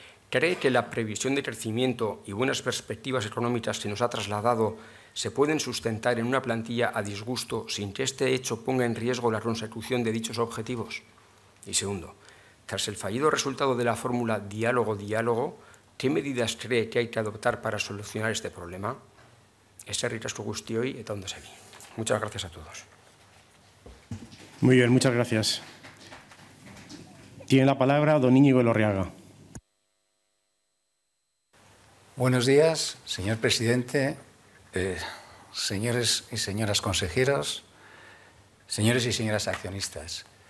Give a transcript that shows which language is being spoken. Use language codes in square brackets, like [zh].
[es] ¿Cree que la previsión de crecimiento y buenas perspectivas económicas que nos ha trasladado se pueden sustentar en una plantilla a disgusto sin que este hecho ponga en riesgo la consecución de dichos objetivos? Y segundo, tras el fallido resultado de la fórmula diálogo, ¿qué medidas cree que hay que adoptar para solucionar este problema? [eu] Eskerrik asko guztioi eta ondo segi. [es] Muchas gracias a todos. Muy bien, muchas gracias. Tiene la palabra don Íñigo Elorriaga. Buenos días, señor presidente, señores y señoras consejeros, señores y señoras accionistas.